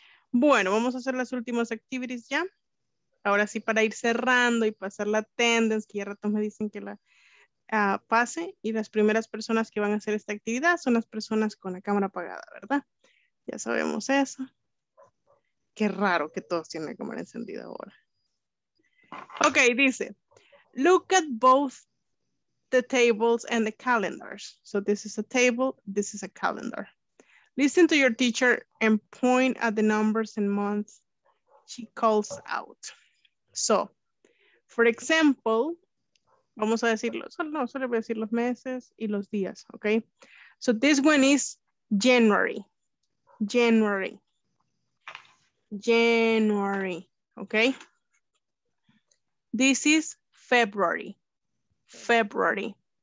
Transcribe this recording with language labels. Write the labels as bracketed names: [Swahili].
[Spanish] Bueno, vamos a hacer las últimas activities ya. Ahora sí, para ir cerrando y pasar la attendance, que ya rato me dicen que la... pase, y las primeras personas que van a hacer esta actividad son las personas con la cámara apagada, ¿verdad? Ya sabemos eso. Qué raro que todos tienen la cámara encendida ahora. [English] Ok, dice, look at both the tables and the calendars. So this is a table, this is a calendar. Listen to your teacher and point at the numbers and months she calls out. So, for example, [Spanish] vamos a decirlo, solo voy a decir los meses y los días, ok. [English] So this one is January. January. January, ok. This is February. February.